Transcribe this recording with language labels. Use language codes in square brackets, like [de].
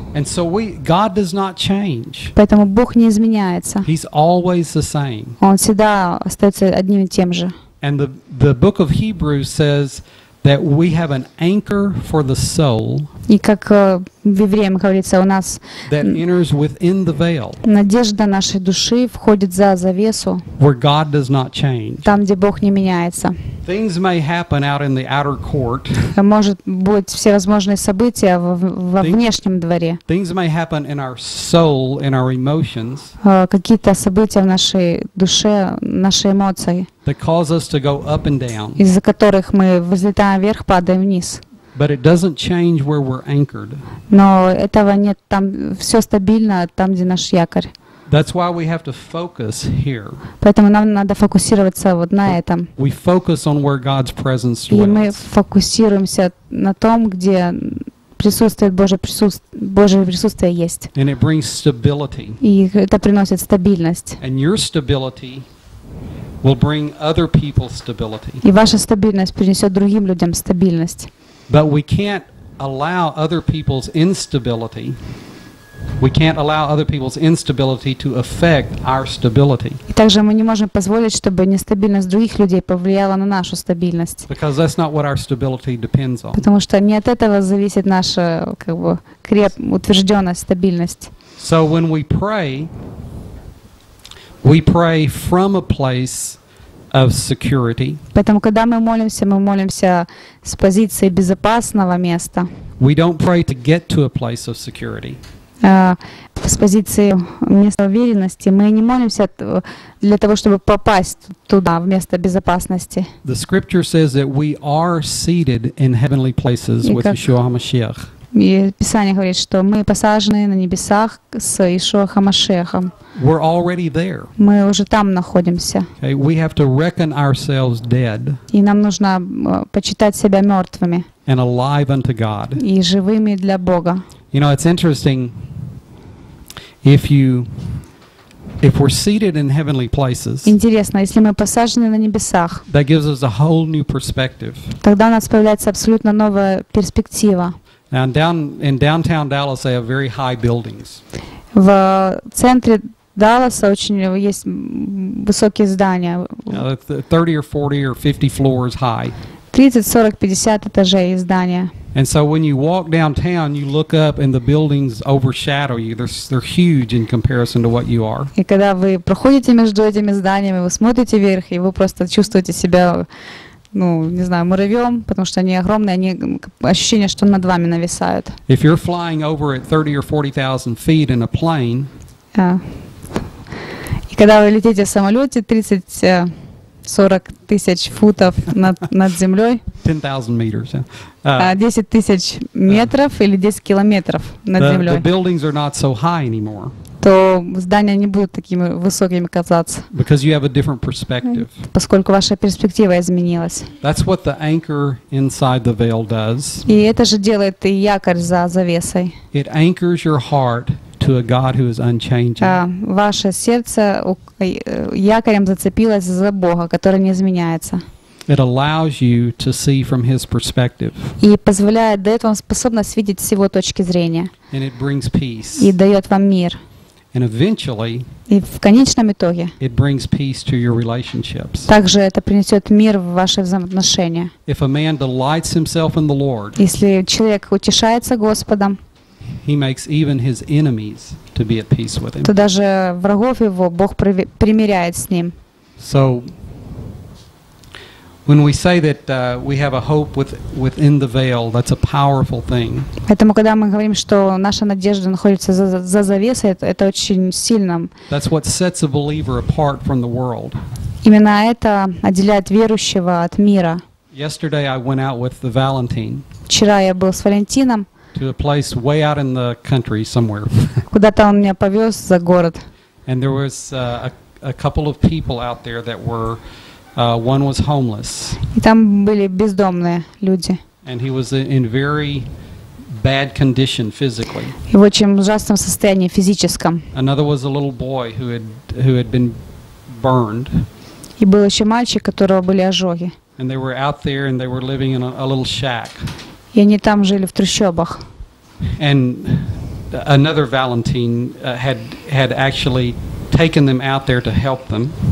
[en] And so God does not change. [ru] Поэтому Бог не изменяется. [en] He's always the same. [ru] Он всегда остается одним и тем же. [en] And the book of Hebrews says that we have an anchor for the soul. [ru] И как в Евреям говорится, у нас [en] that enters within the veil. [ru] Надежда нашей души входит за завесу. [en] Where God does not change. [ru] Там, где Бог не меняется. [en] Things may happen out in the outer court. [ru] Может быть всевозможные события во внешнем дворе. [en] Things may happen in our soul, in our emotions. [ru] Какие-то события в нашей душе, наши эмоции. [en] That cause us to go up and down. [ru] Из-за которых мы взлетаем вверх, падаем вниз. [en] But it doesn't change where we're anchored. [ru] Но этого нет, там все стабильно, там где наш якорь. [en] That's why we have to focus here. [ru] Поэтому нам надо фокусироваться вот на этом. [en] We focus on where God's presence dwells. [ru] И мы фокусируемся на том, где присутствует Божье присутствие есть. [en] And it brings stability. [ru] И это приносит стабильность. [en] And your stability will bring other people's stability. [ru] И ваша стабильность принесет другим людям стабильность. [en] But we can't allow other people's instability. We can't allow other people's instability to affect our stability. [ru] И также мы не можем позволить, чтобы нестабильность других людей повлияла на нашу стабильность. [en] Because that's not what our stability depends on. [ru] Потому что не от этого зависит наша утвержденная стабильность. [en] So when we pray from a place of security. [ru] Поэтому когда мы молимся с позиции безопасного места. [en] We don't pray to get to a place of security. [ru] С позиции места уверенности мы не молимся для того, чтобы попасть туда, в место безопасности. [en] The scripture says that we are seated in heavenly places with Yeshua HaMashiach. [ru] И Писание говорит, что мы посажены на небесах с Иешуа ХаМашиахом. [en] We're already there. [ru] Мы уже там находимся. [en] Okay, we have to reckon ourselves dead. [ru] И нам нужно почитать себя мертвыми. [en] And alive unto God. [ru] И живыми для Бога. [en] You know, it's interesting if we're seated in heavenly places. [ru] Интересно, если мы посажены на небесах. [en] That gives us a whole new perspective. [ru] Тогда у нас появляется абсолютно новая перспектива. [en] And down in downtown Dallas, they have very high buildings. [ru] В центре Далласа очень есть высокие здания. [en] 30 or 40 or 50 floors high. [ru] 30, 40, 50 этажей здания. [en] And so when you walk downtown, you look up and the buildings overshadow you. They're huge in comparison to what you are. [ru] И когда вы проходите между этими зданиями, вы смотрите вверх, и вы просто чувствуете себя не знаю, муравьем, потому что они огромные, они ощущение, что над вами нависают. [en] If you're flying over at 30 or 40,000 feet in a plane. [ru] И когда вы летите в самолете 30-40 тысяч футов над землей. [en] 10,000 meters. [ru] 10 тысяч метров или 10 километров над землей. [en] The buildings are not so high anymore. [ru] То здания не будут такими высокими казаться. [en] Because you have a different perspective. [ru] Поскольку ваша перспектива изменилась. [en] That's what the anchor inside the veil does. [ru] И это же делает и якорь за завесой. [en] It anchors your heart to a God who is unchanging. [ru] Ваше сердце якорем зацепилось за Бога, который не изменяется. [en] It allows you to see from His perspective. [ru] И позволяет, дает вам способность видеть с Его точки зрения. [en] And it brings peace. [ru] И дает вам мир. [en] And eventually, [ru] и в конечном итоге, [en] it brings peace to your relationships. [ru] Также это принесет мир в ваши взаимоотношения. [en] If a man delights himself in the Lord, [ru] если человек утешается Господом, [en] he makes even his enemies to be at peace with him. [ru] То даже врагов его Бог примиряет с ним. [en] So, When we say that we have a hope within the veil, that's a powerful thing. [ru] Поэтому когда мы говорим, что наша надежда находится за завесой, это очень сильно. [en] That's what sets a believer apart from the world. [ru] Именно это отделяет верующего от мира. [en] Yesterday I went out with the Valentine. [ru] Вчера я был с Валентином. [en] To a place way out in the country somewhere. [ru] Куда-то он меня повез за город. [en] And there was a couple of people out there that were one was homeless. [ru] И там были бездомные люди. [en] And he was in very bad condition physically. [ru] И в очень ужасном состоянии физическом. [en] Another was a little boy who had been burned. [ru] И был еще мальчик, у которого были ожоги. [en] And they were out there and they were living in a little shack. [ru] И они там жили в трущобах. [en] And another Valentine had actually taken them out there to help them.